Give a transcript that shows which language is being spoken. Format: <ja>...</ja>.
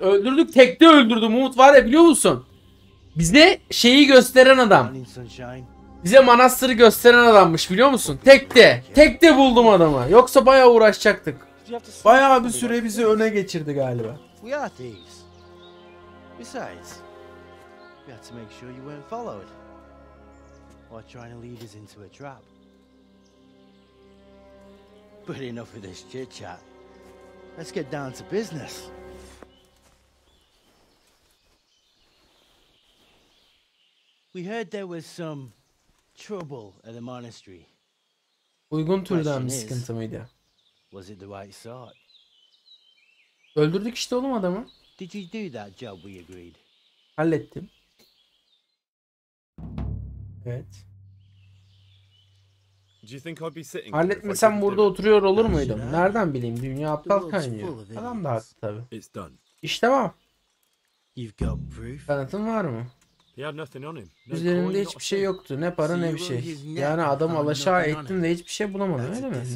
<tr>Öldürdük, tekte öldürdüm Umut var ya, biliyor musun? Bize şeyi gösteren adam. Bize manastırı gösteren adammış, biliyor musun? Tekte. Tekte buldum adamı. Yoksa bayağı uğraşacaktık. Bayağı bir süre bizi öne geçirdi galiba.</tr> <en>Besides, we had to make sure you weren't followed or trying to lead us into a trap. But enough of this chit chat. Let's get down to business. We heard there was some trouble at the monastery.</en> <tr>Uygun türden bir sıkıntı mıydı?</tr> <en>Was it the right sort?</en> <tr>Öldürdük işte oğlum adamı.</tr> <en>Did you do that job we agreed?</en> <tr>Hallettim. Evet.</tr> <en>Do you think I'd be sitting?</en> <tr>Halletmesem burada oturuyor olur muydum? Nereden bileyim? Dünya aptal kaynıyor. Adam da haklı tabi.</tr> <en>It's done.</en> <tr>İş tamam.</tr> <en>You've got proof.</en> <tr>Kanıtın var mı?</tr> <en>He had nothing on him.</en> <tr>Üzerinde hiçbir şey yoktu. Ne para ne bir şey. Yani adamı alaşağı ettim de hiçbir şey bulamadım, değil mi?</tr>